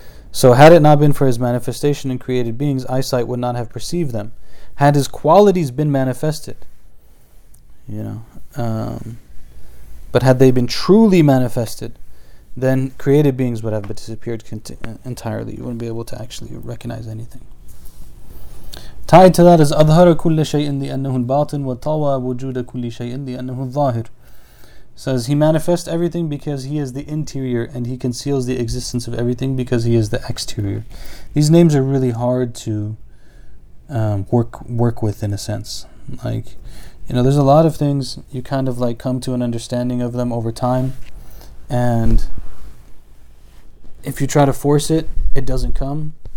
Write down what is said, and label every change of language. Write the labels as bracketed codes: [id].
[en] So had it not been for his manifestation in created beings, eyesight would not have perceived them. Had his qualities been manifested, you know, but had they been truly manifested, then created beings would have disappeared entirely. You wouldn't be able to actually recognize anything. Tied to that is [ar] أظهر كل شيء لأنه الباطن وطوى وجود كل شيء لأنه الظاهر. [en] Says he manifests everything because he is the interior, and he conceals the existence of everything because he is the exterior. These names are really hard to work with, in a sense. Like, you know, there's a lot of things you kind of like come to an understanding of them over time, and if you try to force it, it doesn't come.